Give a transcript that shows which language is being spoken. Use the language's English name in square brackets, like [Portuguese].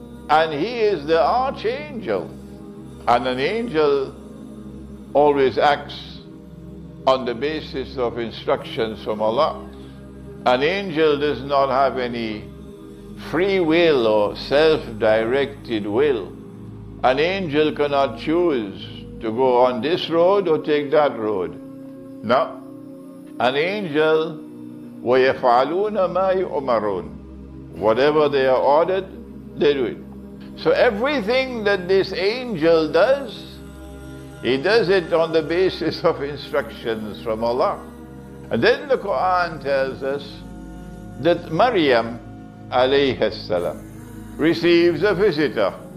[English] And he is the archangel. And an angel always acts on the basis of instructions from Allah. An angel does not have any free will or self-directed will. An angel cannot choose to go on this road or take that road. No. An angel, [Arabic] وَيَفْعَلُونَ مَا يُؤْمَرُونَ. [English] Whatever they are ordered, they do it. So everything that this angel does, he does it on the basis of instructions from Allah. And then the Quran tells us that Maryam alayhi salam receives a visitor.